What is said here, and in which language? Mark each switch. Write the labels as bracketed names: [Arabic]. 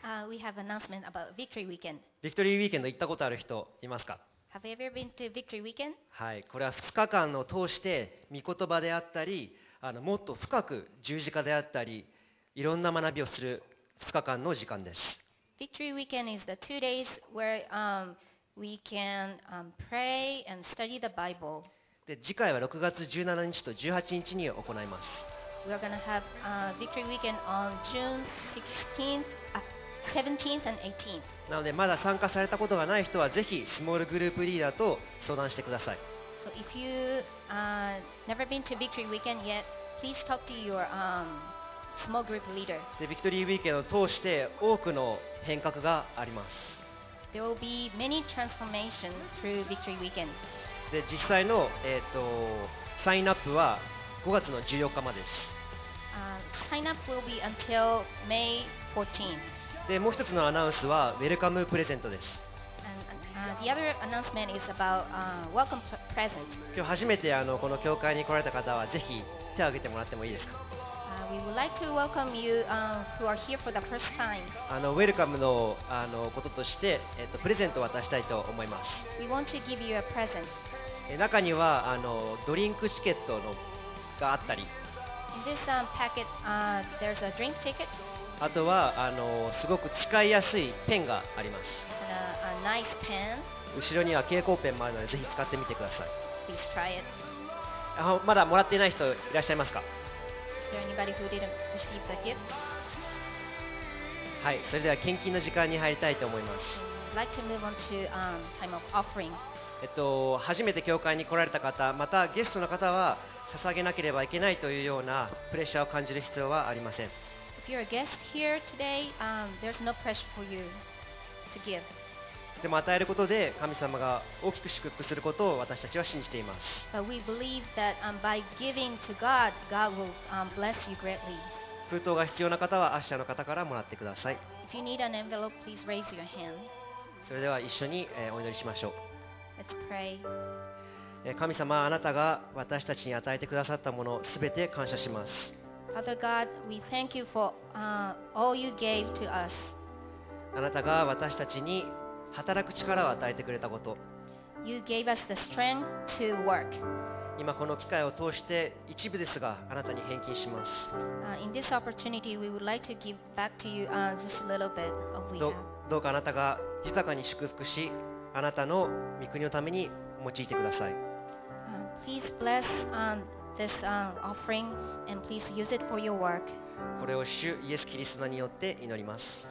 [English] We have announcement about Victory Weekend. [Japanese] ビクトリーウィーケンド行ったことある人いますか？ [English] Have you ever been to Victory Weekend? [Japanese] はい、これは2日間を通して御言葉であったり、もっと深く十字架であったり、いろんな学びをする2日間の時間です。 [English] Victory Weekend is the two days where we can pray and study the Bible. [Japanese] で、次回は6月17日と18日に行います。 [English] We are going to have Victory Weekend on June 16th, 17th and 18th. [Japanese] なのでまだ参加されたことがない人はぜひスモールグループリーダーと相談してください。 [English] So if you never been to Victory Weekend yet, please talk to your small group leader. [Japanese] で、Victory Weekend を通して多くの変革があります。 [English] There will be many transformation through Victory Weekend. [Japanese] で、実際のサインアップは5月の14日までです。 [English] Sign up will be until May 14th. [Japanese] で、もう一つのアナウンスはウェルカムプレゼントです。 [English] The other announcement is about welcome present. [Japanese] 今日初めてこの教会に来られた方はぜひ手を挙げてもらってもいいですか？ [English] We would like to welcome you who are here for the first time. [Japanese] ウェルカムのこととしてプレゼントを渡したいと思います。 [English] We want to give you a present. [Japanese] 中にはドリンクチケットのがあったり、 [English] In this, packet, there's a drink ticket. [Japanese] あとはすごく使いやすいペンがあります。 [English] And a nice pen. [Japanese] 後ろには蛍光ペンもあるのでぜひ使ってみてください。 [English] Please try it. [Japanese] まだもらっていない人いらっしゃいますか？ [English] Is there anybody who didn't receive the gift? [Japanese] はい、それでは献金の時間に入りたいと思います。 [English] I'd like to move on to, time of offering. [Japanese] 初めて教会に来られた方、またゲストの方は捧げなければいけないというようなプレッシャーを感じる必要はありません。 [English] If you're a guest here today, there's no pressure for you to give. [Japanese] でも与えることで神様が大きく祝福することを私たちは信じています。 [English] But we believe that by giving to God, God will bless you greatly. [Japanese] 封筒が必要な方はアッシャーの方からもらってください。 [English] If you need an envelope, please raise your hand. [Japanese] それでは一緒にお祈りしましょう。 [English] Let's pray. [Japanese] 神様、あなたが私たちに与えてくださったものすべて感謝します。 [English] Father God, we thank you for all you gave to us. [Japanese] あなたが私たちに働く力を与えてくれたこと。 [English] You gave us the strength to work. [Japanese] 今この機会を通して一部ですがあなたに返金します。 [English] In this opportunity, we would like to give back to you just a little bit of we have. [Japanese] どうかあなたが豊かに祝福し、あなたの御国のために用いてください。 [English] Please bless this offering. And please use it for your work. [Japanese] これを主イエスキリストによって祈ります。